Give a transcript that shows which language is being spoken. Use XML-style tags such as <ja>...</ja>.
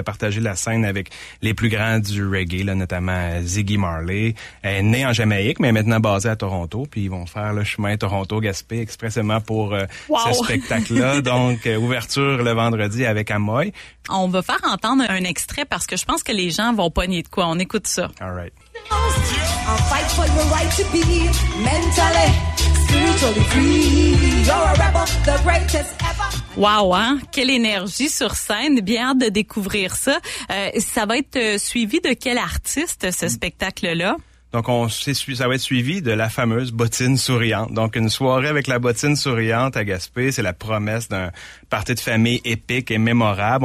<fr>Elle a partagé la scène avec les plus grands du reggae, là, notamment Ziggy Marley. Elle est née en Jamaïque, mais est maintenant basée à Toronto. Puis ils vont faire le chemin Toronto-Gaspé expressément pour ce spectacle-là. Donc, ouverture le vendredi avec Amoy. On va faire entendre un extrait parce que je pense que les gens vont pogner de quoi. On écoute ça.</fr> <en>All right. I'll fight for your right to be mentally, spiritually free. You're a rebel, the greatest ever.</en> <fr>Wow, hein? Quelle énergie sur scène. Bien hâte de découvrir ça. Ça va être suivi de quel artiste, ce spectacle-là? Donc, ça va être suivi de la fameuse bottine souriante. Donc, une soirée avec la bottine souriante à Gaspé, c'est la promesse d'un party de famille épique et mémorable.</fr>